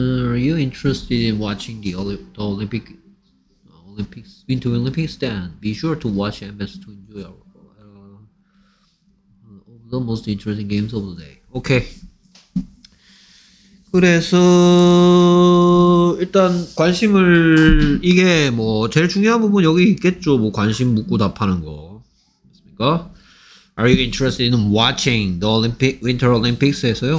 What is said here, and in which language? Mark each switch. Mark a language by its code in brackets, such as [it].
[en] Are you interested in watching the Winter Olympics? Then be sure to watch MS to enjoy our the most interesting games of the day. [ko] 오케이. 그래서 일단 관심을, 이게 뭐 제일 중요한 부분 여기 있겠죠. 뭐 관심 묻고 답하는 거. 맞습니까? [en] Are you interested in watching the Olympic Winter Olympics에서요?